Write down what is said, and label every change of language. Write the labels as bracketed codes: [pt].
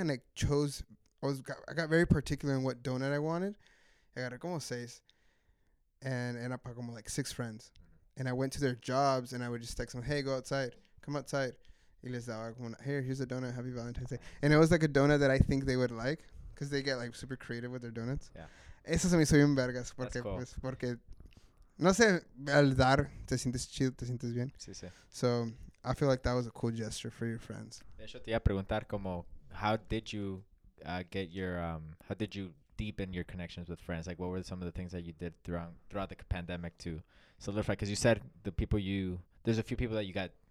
[en] And I got very particular in what donut I wanted. [es] Agarré como seis. [en] And I [es] pagué como [en] like six friends. And I went to their jobs and I would just text them, hey, go outside. Come outside. Here's a donut. Happy Valentine's Day. And it was like a donut that I think they would like because they get like super creative with their donuts. Yeah. [es] Eso se me hizo bien vergas. Porque, [en] that's cool. [es] Pues, porque, no sé, al dar, te sientes chido, te sientes bien. Sí, sí. [en] So I feel like that was a cool gesture for your friends. [es] De hecho, te iba a preguntar como, [en] how did you get your, how did you deepen your connections with friends? Like, what were some of the things that you did throughout the pandemic to solidify? Because you said the people there's a few people that you got